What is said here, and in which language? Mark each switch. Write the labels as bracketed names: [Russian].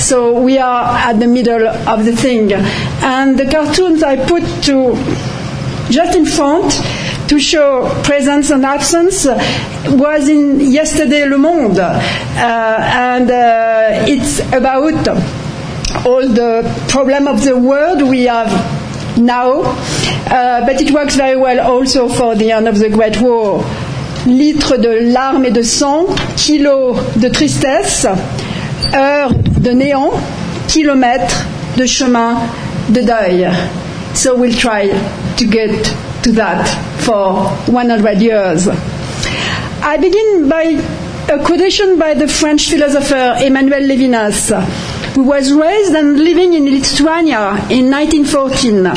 [English] So we are at the middle of the thing. And the cartoons I put to just in front to show presence and absence was in yesterday Le Monde. And it's about all the problem of the world we have now, but it works very well also for the end of the Great War. [French] Litre de larmes et de sang, kilo de tristesse, heure de néant, kilomètre de chemin de deuil. [English] So we'll try to get to that for 100 years. I begin by a quotation by the French philosopher Emmanuel Levinas, who was raised and living in Lithuania in 1914.